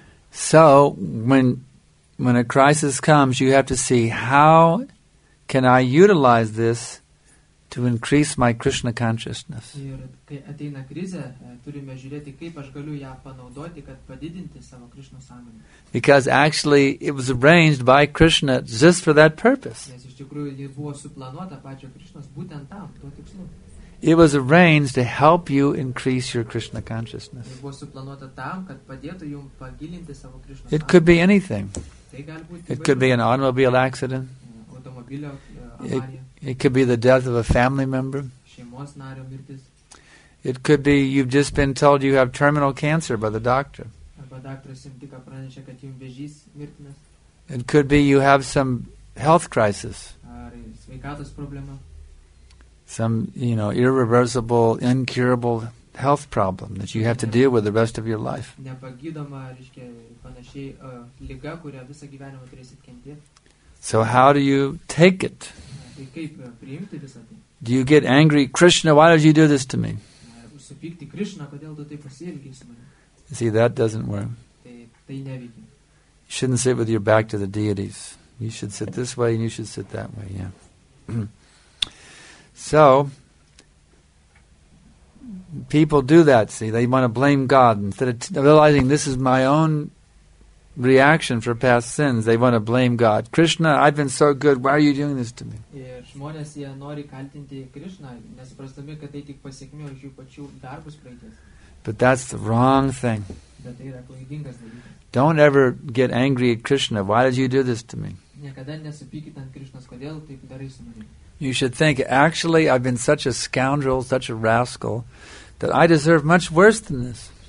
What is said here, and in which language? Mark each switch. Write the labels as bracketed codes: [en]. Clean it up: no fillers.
[en] So, when a crisis comes, you have to see how can I utilize this to increase my Krishna consciousness. [lt] Ir kai ateina krizė, turime žiūrėti, kaip aš galiu ją panaudoti, kad padidinti savo Krishna sąmonę. [en] Because actually it was arranged by Krishna just for that purpose. [lt] Nes iš tikrųjų ji buvo suplanuota pačio Krishnos būtent tam, tuo tikslu. [en] It was arranged to help you increase your Krishna consciousness. [lt] Ji buvo suplanuota tam, kad padėtų jum pagilinti savo Krishna sąmonę. [en] It could be anything. [lt] Tai gali būti. [en] It could be an automobile accident. [lt] Automobilio [en] It could be the death of a family member. [lt] Šeimos nario mirtis. [en] It could be you've just been told you have terminal cancer by the doctor. [lt] Arba daktaras jums tik pranešė, kad jums vėžys mirtinas. [en] It could be you have some health crisis. [lt] Ar sveikatos problema. [en] Some, you know, irreversible, incurable health problem that you have to deal with the rest of your life. [lt] Nepagydoma, reiškia, panašiai liga, kurią visą gyvenimą turėsit kentėti. [en] So how do you take it? Do you get angry, Krishna, why did you do this to me? See, that doesn't work. You shouldn't sit with your back to the deities. You should sit this way and you should sit that way, yeah. So, people do that, see, they want to blame God. Instead of realizing this is my own reaction for past sins, they want to blame God. Krishna, I've been so good, why are you doing this to me? [lt] Žmonės jie nori kaltinti Krishna, nesuprastami, kad tai tik pasiekmė už jų pačių darbus praeities. [en] But that's the wrong thing. [lt] Bet tai yra klaidingas dalykas. [en] Don't ever get angry at Krishna. Why did you do this to me? [lt] Niekada nesupykite ant Krishnos, kodėl taip darai su manimi. [en] You should think, actually, I've been such a scoundrel, such a rascal, that I deserve much worse than this.